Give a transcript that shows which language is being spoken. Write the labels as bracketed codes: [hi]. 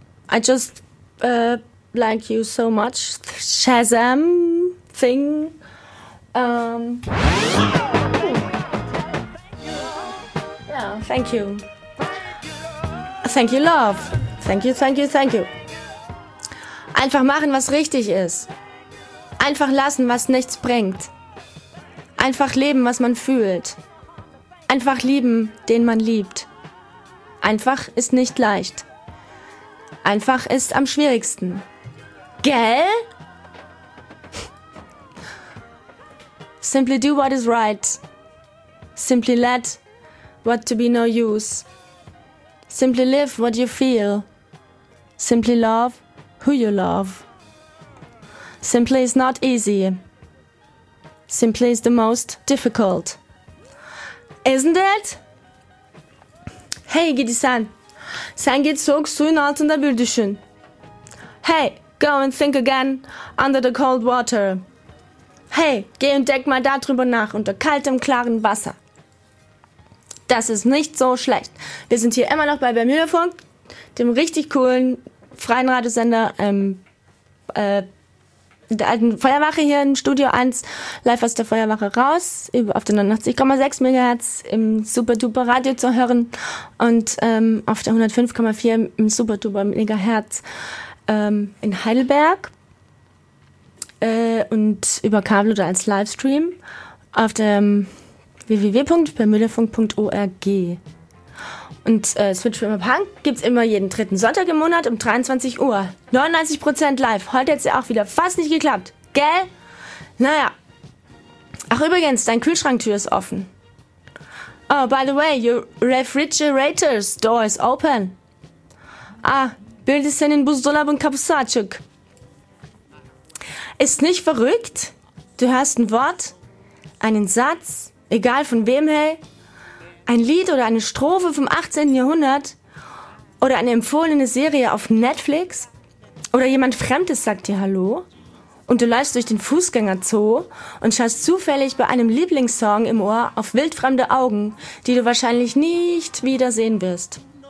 [en] I just like you so much, Shazam thing. Thank you. Thank you, love. Thank you, thank you, thank you. [de] Einfach machen, was richtig ist. Einfach lassen, was nichts bringt. Einfach leben, was man fühlt. Einfach lieben, den man liebt. Einfach ist nicht leicht. Einfach ist am schwierigsten. Gell? [en] Simply do what is right. Simply let what to be no use. Simply live what you feel. Simply love who you love. Simply is not easy. Simply is the most difficult. Isn't it? Hey, Gidi San. [tr] Sen git soğuk suyun altında bir düşün. [en] Hey, go and think again under the cold water. [de] Hey, geh und denk mal darüber nach unter kaltem, klarem Wasser. Das ist nicht so schlecht. Wir sind hier immer noch bei Bermudafunk, dem richtig coolen freien Radiosender der alten Feuerwache hier im Studio 1, live aus der Feuerwache raus, auf den 89,6 MHz im Superduper Radio zu hören und auf der 105,4 im Superduper Megahertz in Heidelberg und über Kabel oder als Livestream auf dem www.bermudafunk.org. Und Switch für immer Punk gibt es immer jeden dritten Sonntag im Monat um 23 Uhr. 99% live. Heute hat es ja auch wieder fast nicht geklappt. Gell? Naja. Ach übrigens, dein Kühlschranktür ist offen. [en] Oh, by the way, your refrigerator's door is open. Ah, Bild ist in Busdolab und Kapusatschuk. Ist nicht verrückt? [de] Du hörst ein Wort, einen Satz, egal von wem, hey, ein Lied oder eine Strophe vom 18. Jahrhundert oder eine empfohlene Serie auf Netflix oder jemand Fremdes sagt dir Hallo und du läufst durch den Fußgängerzoo und schaust zufällig bei einem Lieblingssong im Ohr auf wildfremde Augen, die du wahrscheinlich nicht wieder sehen wirst.